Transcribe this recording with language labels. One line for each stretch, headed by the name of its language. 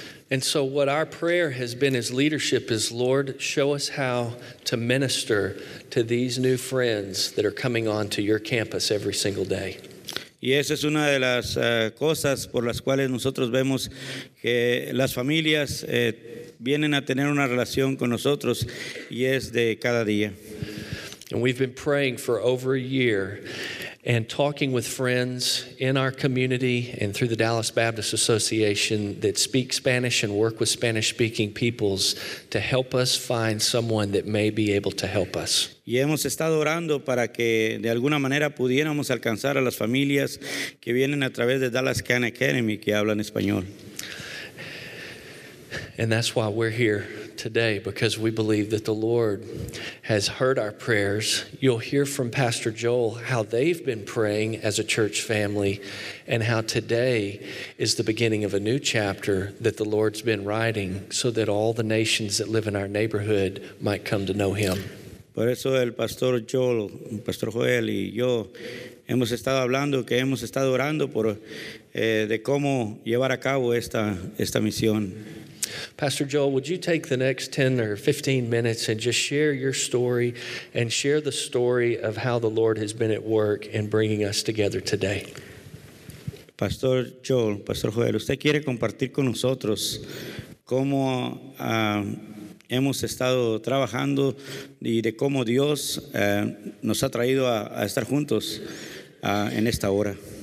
English: And so what our prayer has been as leadership is, Lord, show us how to minister to these new friends that are coming on to your campus every single day.
Spanish: Y esa es una de las cosas por las cuales nosotros vemos que las familias vienen a tener una relación con nosotros, y es de cada día.
English: And we've been praying for over a year and talking with friends in our community and through the Dallas Baptist Association that speak Spanish and work with Spanish-speaking peoples to help us find someone that may be able to help us.
Spanish: Y hemos estado orando para que de alguna manera pudiéramos alcanzar a las familias que vienen a través de Dallas Kahn Academy que hablan español.
English: And that's why we're here today, because we believe that the Lord has heard our prayers. You'll hear from Pastor Joel how they've been praying as a church family and how today is the beginning of a new chapter that the Lord's been writing so that all the nations that live in our neighborhood might come to know him.
Spanish: Por eso el Pastor Joel, Pastor Joel y yo hemos estado hablando, que hemos estado orando por de cómo llevar a cabo esta misión.
English: Pastor Joel, would you take the next 10 or 15 minutes and just share your story and share the story of how the Lord has been at work in bringing us together today?
Spanish: Pastor Joel, Pastor Joel, ¿usted quiere compartir con nosotros cómo hemos estado trabajando y de cómo Dios nos ha traído a estar juntos en esta hora?